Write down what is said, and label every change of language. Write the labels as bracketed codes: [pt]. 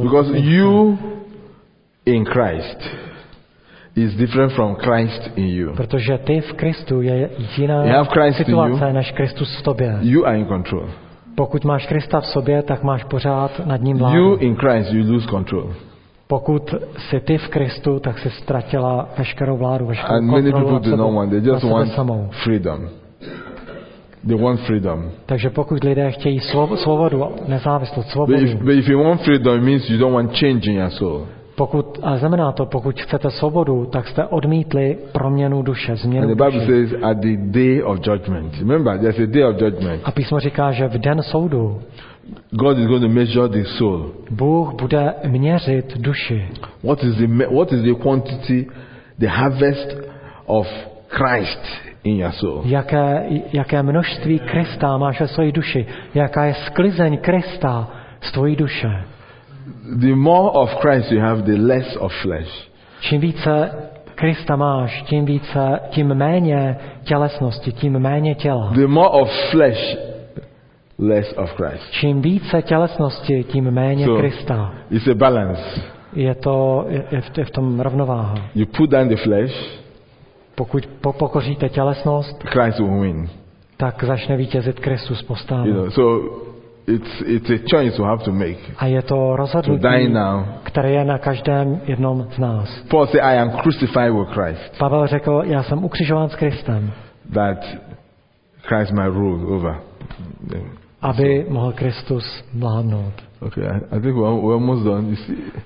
[en] Because you in Christ is different from Christ in you. [cs] Protože ty v Kristu je jiná situace než Kristus v tobě. [en] You are in control. [cs] Pokud máš Krista v sobě, tak máš pořád nad ním vládu. [en] You in Christ you lose control. [cs] Pokud jsi ty v Kristu, tak jsi ztratila veškerou vládu, veškerou kontrolu. [en] And many people do not want, they just want freedom. They want freedom. [cs] Takže pokud lidé chtějí svobodu, nezávislost, svobodu. [en] But if you want freedom, it means you don't want change in your soul. [cs] Pokud, a znamená to, pokud chcete svobodu, tak jste odmítli proměnu duše, změnu duše. [en] And the Bible says at the day of judgment. Remember, there's a day of judgment. [cs] A písmo říká, že v den soudu [en] God is going to measure the soul. [cs] Bůh bude měřit duši. [en] What is the quantity, the harvest of Christ in your soul? [cs] Jaké množství Krista máš ve své duši? Jaká je sklizeň Krista z tvojí duše? [en] The more of Christ you have, the less of flesh. [cs] Čím více Krista máš, tím méně tělesnosti, tím méně těla. [en] The more of flesh, less of Christ. [cs] Čím více tělesnosti, tím méně [en] so, [cs] Krista. [en] It's a balance. [cs] Je v tom rovnováha. [en] You put down the flesh. [cs] Pokud pokoříte tělesnost, [en] Christ will win. [cs] Tak začne vítězit Kristus postavu. [en] You know, so It's a choice we have to make. [cs] A je to rozhodnutí, které je na každém jednom z nás. [en] Paul said, I am crucified with Christ. [cs] Pavel řekl, já jsem ukřižován s Kristem. [en] That Christ might rule over. [cs] Aby so. Mohl Kristus vládnout. [en] Okay, I think we're almost done. You see.